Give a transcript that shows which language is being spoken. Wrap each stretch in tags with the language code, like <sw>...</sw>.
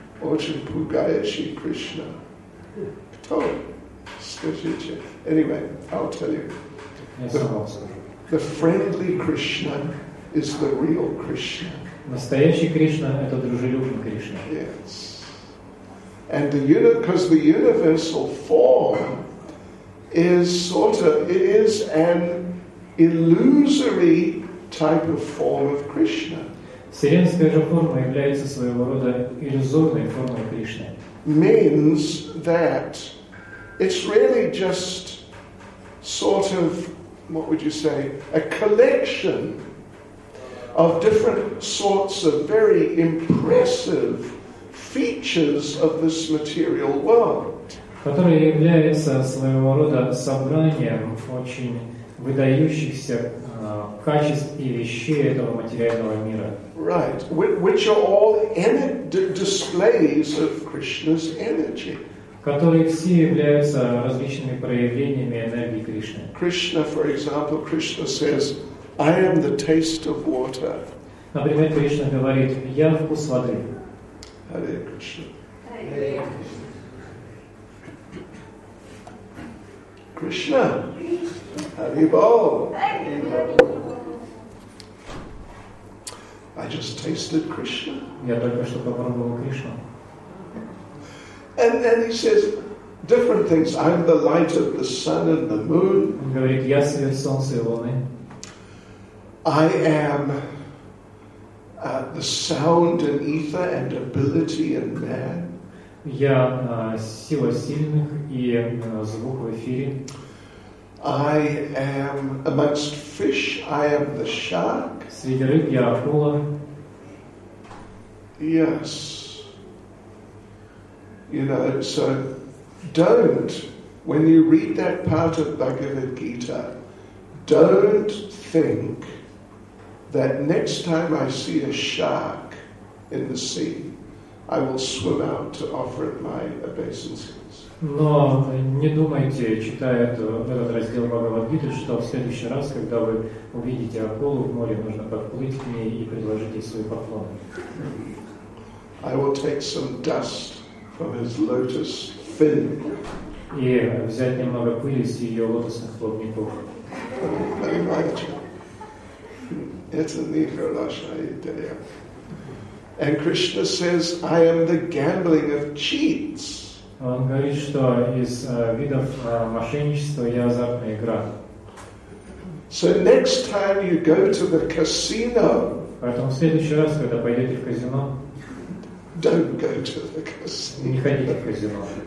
<ru>Очень пугающий Кришна. Кто? Скажите.</ru> <en>Anyway, I'll tell you. The friendly Krishna is the real Krishna.</en> <ru>Настоящий Кришна – это дружелюбный Кришна.</ru> <en>Yes. And the because the universal form is sort of, it is an illusory type of form of Krishna.</en> <ru>Вселенская же форма является своего рода иллюзорной формой Кришны.</ru> <en>Means that it's really just sort of, what would you say, a collection of different sorts of very impressive features of this material world.</en> <ru>Которые являются своего рода собранием очень выдающихся качеств и вещей этого материального мира.</ru> <en>Right, which are all displays of Krishna's energy.</en> <ru>Которые все являются различными проявлениями энергии Кришны.</ru> <en>Krishna, for example, Krishna says, I am the taste of water.</en> <ru>Например, Кришна говорит, я вкус воды.</ru> <en>Hare Krishna. Hare Krishna. Krishna. Haribol. I just tasted Krishna.</en> <ru>Я только что попробовал Кришну.</ru> <en>And then he says different things. I'm the light of the sun and the moon.</en> <ru>Говорит, я свет солнца и луны.</ru> <en>I am the sound and ether and ability in man.</en> <ru>Я сила сильных и звук в эфире.</ru> <en>I am amongst fish. I am the shark.</en> <ru>Среди рыб я акула.</ru> <en>Yes. You know, so don't, when you read that part of Bhagavad Gita, don't think that next time I see a shark in the sea, I will swim out to offer it my obeisances.</en> <ru>Но не думайте, читая этот раздел Бхагавад Гиты, что в следующий раз, когда вы увидите акулу в море, нужно подплыть к ней и предложить ей свой поклон.</ru> <en>I will take some dust from his lotus fin.</en> <ru>И взять немного пыли с ее лотосных плавников. Это не хорошая идея.</ru> <en>And Krishna says, I am the gambling of cheats.</en> <ru>Он говорит, что из видов мошенничества я азартная игра.</ru> <en>So next time you go to the casino.</en> <ru>Поэтому в следующий раз, когда пойдете в казино.</ru> <en>Don't go to the casino.</en> <ru>Не ходите в казино.</ru>